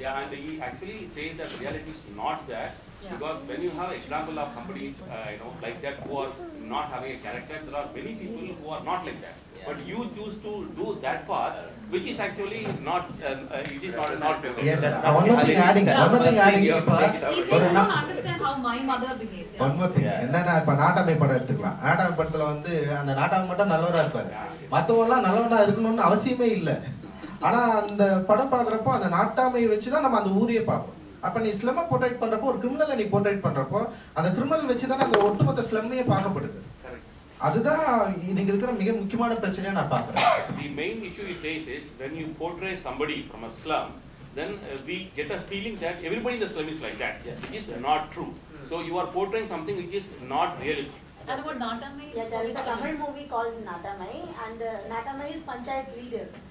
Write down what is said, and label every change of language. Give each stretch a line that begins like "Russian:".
English: Yeah, and he actually says that reality is not that. Because when you have example of somebody you know, like that who are not having a character, there are many people who are not like that. Yeah. But you choose to do that part, which is actually not, it is not a not favorable. Yes, one more thing adding. He's able to understand how my mother behaves. Yeah? One more thing.
Tamil: என்னன்னா இப்ப நாட்டாமை படம் எடுத்துக்கலாம். நாட்டாமை படத்துல வந்து அந்த நாட்டாமை மட்டும் நல்லவரா இருப்பாரு, மற்றவெல்லாம் நல்லவனா இருக்கணும்னு அவசியமே இல்லை. ஆனா அந்த படம் பாக்குறப்போ அந்த நாட்டாமையை வச்சுதான் நம்ம அந்த ஊரையே பார்ப்போம். அப்ப நீ ஸ்லம் போர்ட்ரேட் பண்றப்போ ஒரு கிரிமினல் நீ போர்ட்ரேட் பண்றப்போ அந்த கிரிமினல் வச்சுதான் அந்த ஒட்டுமொத்த ஸ்லம்மையே பார்க்கப்படுது. அதுதான் நீங்க இருக்கிற மிக முக்கியமான பிரச்சனையா நான் பாக்குறேன்.
English: The main issue he says is when you portray somebody from a slum, then we get a feeling that everybody in the slum is like that. Yes. Which is not true. So you are portraying something which is not realistic. And what Natamai? Yeah, there is a Tamil movie called Natamai, and Natamai is panchayat leader.